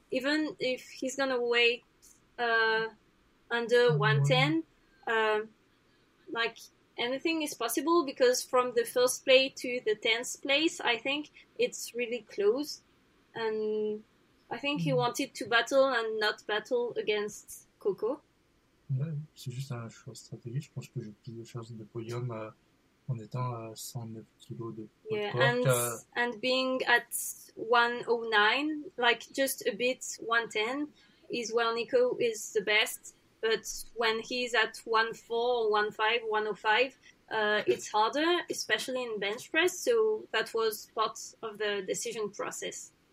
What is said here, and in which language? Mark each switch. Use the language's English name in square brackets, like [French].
[English] Even if he's going to weigh under 110, like anything is possible, because from the first place to the 10th place, I think it's really close. And I think he wanted to battle and not battle against Coco. [French] Ouais, c'est juste un choix stratégique. Je pense que j'ai plus de chances de podium en étant à 109 kilos de poids. [English] Yeah, and being at 109, like just a bit 110, is where Nico is the best. But when he's at 104, 105, 105, it's harder, especially in bench press. So that was part of the decision process.